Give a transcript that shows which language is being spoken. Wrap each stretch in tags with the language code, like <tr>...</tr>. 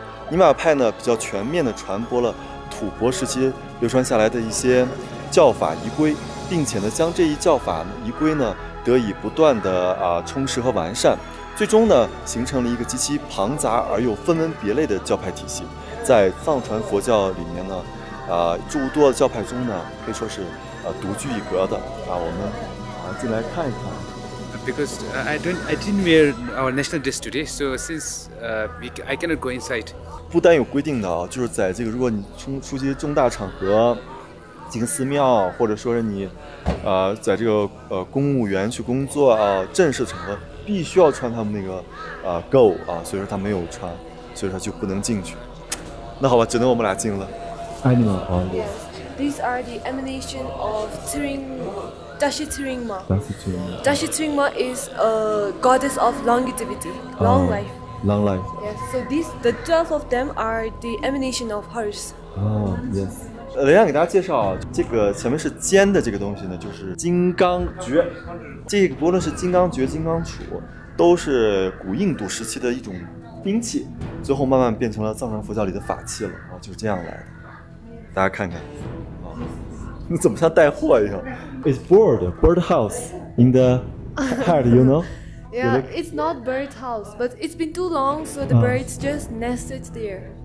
<zh>尼玛派呢，比较全面地传播了吐蕃时期流传下来的一些教法仪规，并且呢，将这一教法仪规呢，得以不断地充实和完善，最终呢，形成了一个极其庞杂而又分门别类的教派体系，在藏传佛教里面呢，诸多的教派中呢，可以说是独具一格的啊。我们进来看一看。</zh> <en>Because I didn't wear our national dress today, so since I cannot go inside.</en> <zh>不丹有规定的啊，就是在这个如果你出席重大场合，进寺庙，或者说是你在这个公务员去工作啊，正式场合必须要穿他们那个go 啊，所以说他没有穿，所以说就不能进去。那好吧，只能我们俩进了。</zh> <en>Animal on this. These are the emanation of Dashi Tiringma. Dashi Tiringma is a goddess of longevity, long life. Long life. Yes. So these, the 12 of them are the emanation of hers. Oh, yes.</en> <zh>雷亮给大家介绍，这个前面是尖的这个东西呢，就是金刚蕨。这个不论是金刚蕨、金刚杵，都是古印度时期的一种兵器，最后慢慢变成了藏传佛教里的法器了啊，就是这样来的。大家看看，你怎么像带货一样</zh> <en>？It's bird house in the head, you know? Yeah, it's not bird house, but it's been too long, so the birds just nested there.</en>